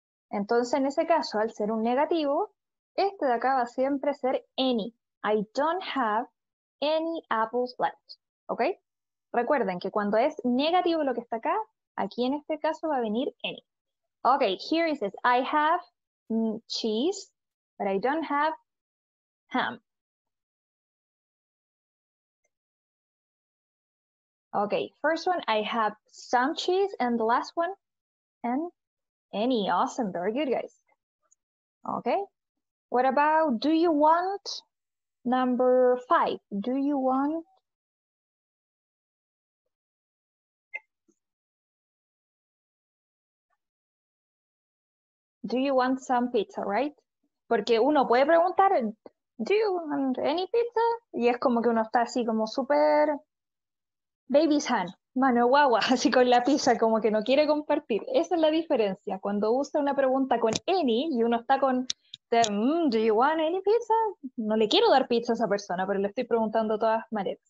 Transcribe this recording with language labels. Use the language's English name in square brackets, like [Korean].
[Spanish] Entonces, en ese caso, al ser un negativo, este de acá va siempre a ser any. [English] I don't have. Any apples left, ¿ok? [Spanish] Recuerden que cuando es negativo lo que está acá, aquí en este caso va a venir any. [English] Ok, here it says, I have cheese, but I don't have ham. Ok, first one, I have some cheese, and the last one, and any. Awesome, very good, guys. Ok, what about, do you want... Number five, do you want some pizza, right? [Spanish] Porque uno puede preguntar, [English] do you want any pizza? [Spanish] Y es como que uno está así como súper [English] baby's hand, [Spanish] mano guagua, así con la pizza, como que no quiere compartir. Esa es la diferencia, cuando usa una pregunta con any y uno está con... [English] Do you want any pizza? [Spanish] No le quiero dar pizza a esa persona, pero le estoy preguntando de todas maneras.